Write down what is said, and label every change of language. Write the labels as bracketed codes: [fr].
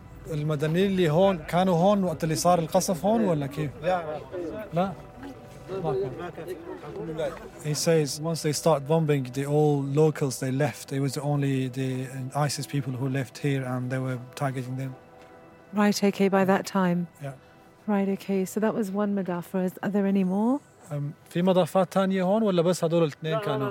[ar] المدنيين اللي هون كانوا هون وقت اللي صار القصف هون ولا كيف؟ لا ما كان. [en] He says once they start bombing, the all locals they left. It was only the ISIS people who left here, and they were targeting them. Right. Okay. By that time. Yeah. Right. Okay. So that was one [ar] مدافر. [en] Are there any more? [ar] في مضافات تانية هون ولا بس هذول الاثنين كانوا؟